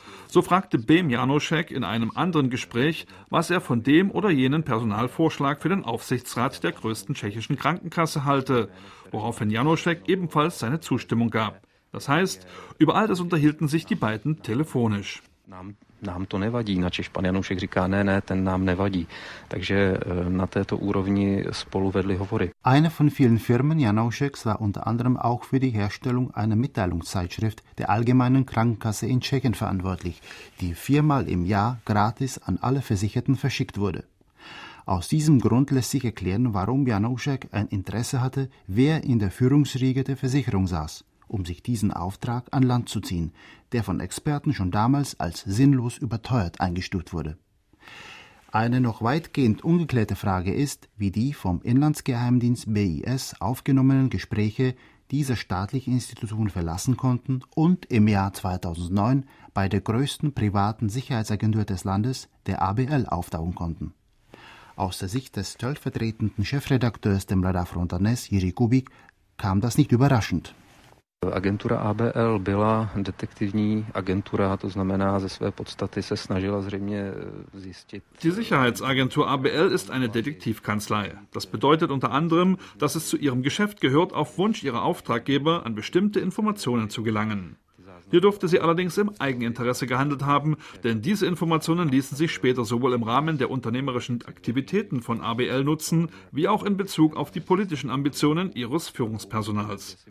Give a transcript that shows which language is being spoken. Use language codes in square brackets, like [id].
[de] So fragte Bém Janoušek in einem anderen Gespräch, was er von dem oder jenen Personalvorschlag für den Aufsichtsrat der größten tschechischen Krankenkasse halte, woraufhin Janoušek ebenfalls seine Zustimmung gab. Das heißt, über all das unterhielten sich die beiden telefonisch. [cs] Nám to nevadí, načež pan Janoušek říká, ne, ten nám nevadí. Takže na této úrovni spolu vedli hovory. [de] Eine von vielen Firmen Janoušeks war unter anderem auch für die Herstellung einer Mitteilungszeitschrift der Allgemeinen Krankenkasse in Tschechien verantwortlich, die viermal im Jahr gratis an alle Versicherten verschickt wurde. Aus diesem Grund lässt sich erklären, warum Janoušek ein Interesse hatte, wer in der Führungsriege der Versicherung saß, um sich diesen Auftrag an Land zu ziehen, der von Experten schon damals als sinnlos überteuert eingestuft wurde. Eine noch weitgehend ungeklärte Frage ist, wie die vom Inlandsgeheimdienst BIS aufgenommenen Gespräche diese staatliche Institution verlassen konnten und im Jahr 2009 bei der größten privaten Sicherheitsagentur des Landes, der ABL, auftauchen konnten. Aus der Sicht des stellvertretenden Chefredakteurs der Mladá Fronta Dnes, Jiří Kubík, kam das nicht überraschend. [cs] Agentura ABL byla detektivní agentura, to znamená, ze své podstaty se snažila zřejmě zjistit. [de] Die Sicherheitsagentur ABL ist eine Detektivkanzlei. Das bedeutet unter anderem, dass es zu ihrem Geschäft gehört, auf Wunsch ihrer Auftraggeber an bestimmte Informationen zu gelangen. Hier durfte sie allerdings im Eigeninteresse gehandelt haben, denn diese Informationen ließen sich später sowohl im Rahmen der unternehmerischen Aktivitäten von ABL nutzen, wie auch in Bezug auf die politischen Ambitionen ihres Führungspersonals.